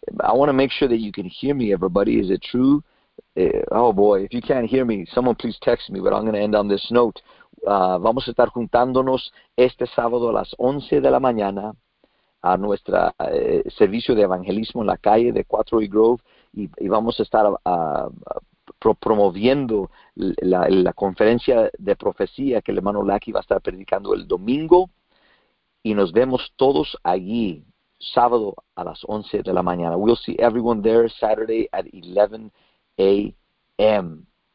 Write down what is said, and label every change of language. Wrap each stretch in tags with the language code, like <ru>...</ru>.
<en>I want to make sure that you can hear me, everybody. Is it true? Oh, boy. If you can't hear me, someone please text me. But I'm going to end on this note.</en> <es>Vamos a estar juntándonos este sábado a las 11 de la mañana a nuestro servicio de evangelismo en la calle de 4 y Grove. Y vamos a estar promoviendo la conferencia de profecía que el hermano Lackey va a estar predicando el domingo. Y nos vemos todos allí, sábado a las 11 de la mañana.</es> <en>We'll see everyone there Saturday at 11 a.m.</en>